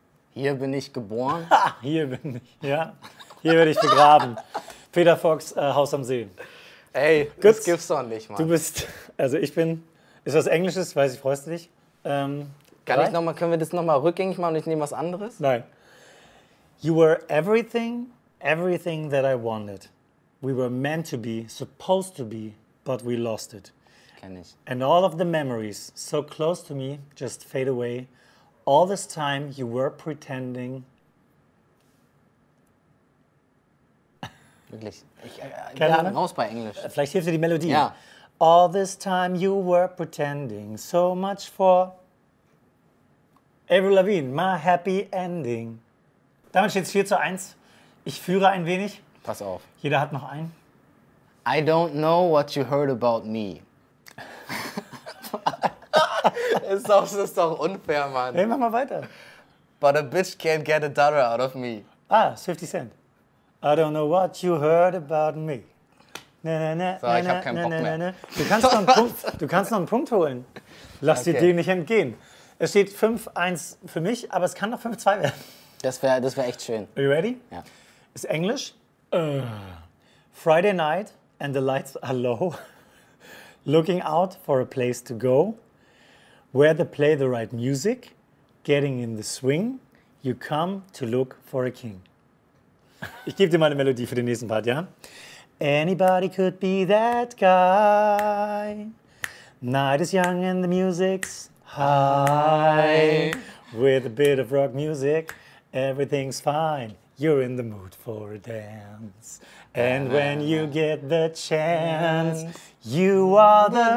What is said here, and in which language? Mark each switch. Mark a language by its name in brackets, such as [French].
[German] Hier bin ich geboren. Hier bin ich, ja. Hier werde ich begraben. Peter Fox, Haus am See. Ey, das gibt's doch nicht, Mann. Du bist, also ich bin, ist was Englisches, weiß ich, freust du dich? Können wir das nochmal rückgängig machen und ich nehme was anderes? Nein. [English] You were everything, everything that I wanted. We were meant to be, supposed to be, but we lost it. [German] Kenn ich. [English] And all of the memories so close to me just fade away. All this time you were pretending. [German] Wirklich? Ich bin raus bei Englisch. Vielleicht hilft dir die Melodie. Ja. [English] All this time you were pretending so much for... [German] Avril Lavigne, [English] my happy ending. [German] Damit steht es 4-1. Ich führe ein wenig. Pass auf. Jeder hat noch einen. [English] I don't know what you heard about me. [German] Das ist doch unfair, Mann. Hey, mach mal weiter. [English] But a bitch can't get a dollar out of me. [German] Ah, 50 Cent. [English] I don't know what you heard about me. [German] Na, na, na, so, na, ich hab keinen Bock mehr. Du kannst noch einen Punkt holen. Lass dir den nicht entgehen. Es steht 5-1 für mich, aber es kann noch 5-2 werden. Das wär echt schön. [English] Are you ready? [German] Ja. Ist Englisch? [English] Friday night and the lights are low. Looking out for a place to go. Where they play the right music. Getting in the swing. You come to look for a king. [German] Ich gebe dir mal eine Melodie für den nächsten Part, ja? [English] Anybody could be that guy. Night is young and the music's... Hi, with a bit of rock music, everything's fine. You're in the mood for a dance. And when you get the chance, you are the